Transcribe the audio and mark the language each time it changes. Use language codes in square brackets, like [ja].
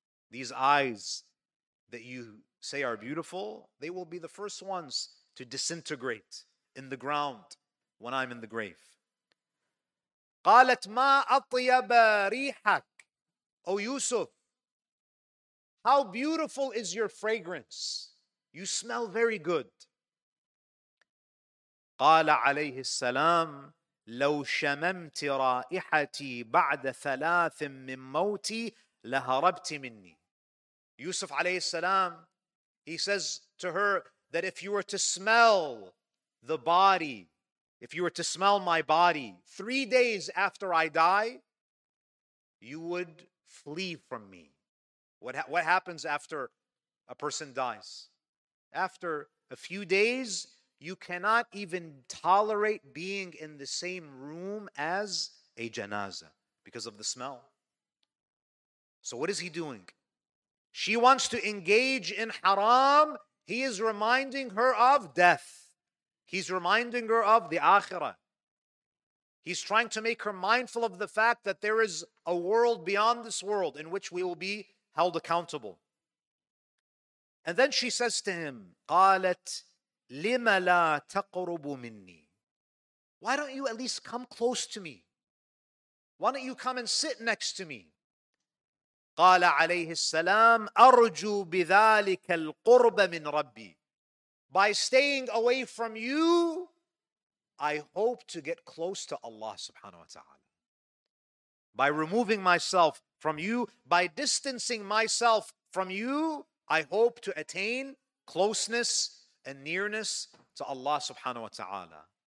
[en] These eyes that you say are beautiful, they will be the first ones to disintegrate in the ground when I'm in the grave. [ar] قالت ما أطيب ريحك [en] O Yusuf, how beautiful is your fragrance. You smell very good. [ar] قال عليه السلام لو شممت رائحتي بعد ثلاث من موتي لهربت مني. [en] Yusuf عليه السلام, he says to her that if you were to smell the body, if you were to smell my body 3 days after I die, you would flee from me. What happens after a person dies? After a few days, you cannot even tolerate being in the same room as a janazah because of the smell. So what is he doing? She wants to engage in haram. He is reminding her of death. He's reminding her of the akhirah. He's trying to make her mindful of the fact that there is a world beyond this world in which we will be held accountable. And then she says to him, [ar] قالت لما لا تقرب مني. [en] Why don't you at least come close to me? Why don't you come and sit next to me? [ar] قال عليه السلام أرجو بذلك القرب من ربي. [en] By staying away from you, I hope to get close to Allah subhanahu wa ta'ala. By removing myself from you, by distancing myself from you, I hope to attain closeness and nearness to Allah subhanahu wa ta'ala.